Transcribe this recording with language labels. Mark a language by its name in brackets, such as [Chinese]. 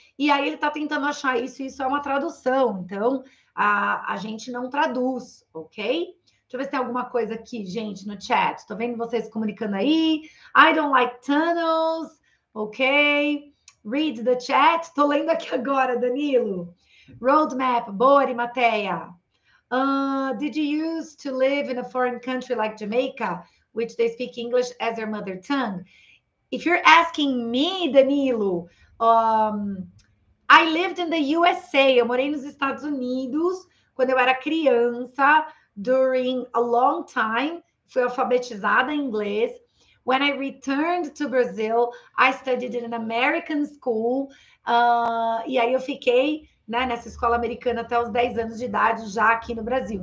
[Portuguese] E aí ele tá tentando achar isso e isso é uma tradução. Então, a gente não traduz, ok? Deixa eu ver se tem alguma coisa aqui, gente, no chat. Tô vendo vocês comunicando aí. [English] I don't like tunnels, ok? Read the chat. [Portuguese] Tô lendo aqui agora, Danilo. Roadmap, boa, Arimateia. [English] Did you used to live in a foreign country like Jamaica, which they speak English as their mother tongue? If you're asking me, Danilo, I lived in the USA. [Portuguese] Eu morei nos Estados Unidos quando eu era criança. [English] During a long time, [Portuguese] fui alfabetizada em inglês. [English] When I returned to Brazil, I studied in an American school. [Portuguese] E aí eu fiquei, né, nessa escola americana até os 10 anos de idade já aqui no Brasil.